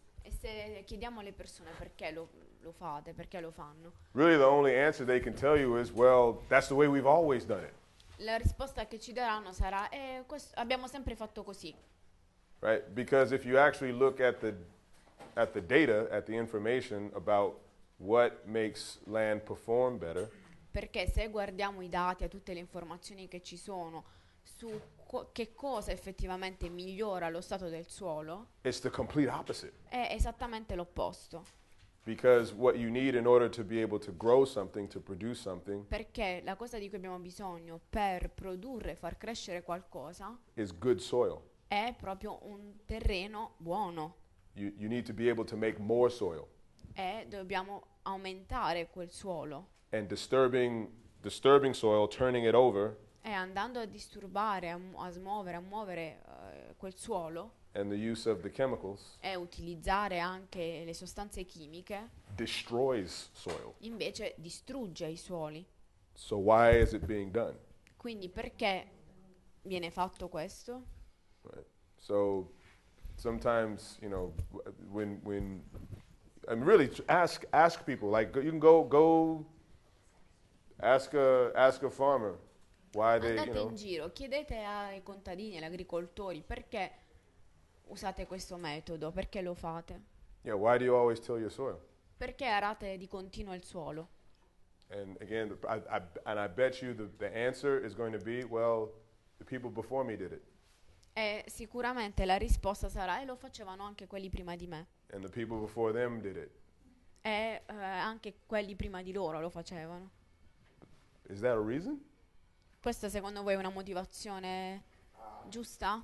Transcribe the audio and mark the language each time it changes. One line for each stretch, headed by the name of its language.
Italian: e se chiediamo alle persone perché lo fate, perché lo fanno,
English: really the only answer they can tell you is, well, that's the way we've always done it.
Italian: La risposta che ci daranno sarà, abbiamo sempre fatto così.
English: Right, because if you actually look at the data, at the information about what makes land perform better.
Italian: Perché se guardiamo i dati, a tutte le informazioni che ci sono su che cosa effettivamente migliora lo stato del suolo.
English: It's the complete opposite.
Italian: È esattamente l'opposto.
English: Because what you need in order to be able to grow something, to produce something.
Italian: Perché la cosa di cui abbiamo bisogno per produrre, far crescere qualcosa.
English: Is good soil.
Italian: È proprio un terreno buono.
English: You need to be able to make more soil.
Italian: E dobbiamo aumentare quel suolo.
English: And disturbing soil, turning it over.
Italian: E andando a disturbare, a muovere quel suolo.
English: And the use of the chemicals.
Italian: E utilizzare anche le sostanze chimiche.
English: Destroys soil.
Italian: Invece distrugge i suoli.
English: So why is it being done?
Italian: Quindi perché viene fatto questo?
English: So sometimes, you know, when I mean, really ask people, like you can go ask a farmer why
Italian: andate
English: they, you know,
Italian: in giro, chiedete ai contadini, agli agricoltori, perché usate questo metodo, perché lo fate.
English: Yeah, why do you always till your soil?
Italian: Perché arate di continuo il suolo?
English: And again, I bet you the answer is going to be, well, the people before me did it.
Italian: E sicuramente la risposta sarà, e lo facevano anche quelli prima di me.
English: And the people before them did it.
Italian: E anche quelli prima di loro lo facevano.
English: Is that a reason?
Italian: Questa secondo voi è una motivazione giusta?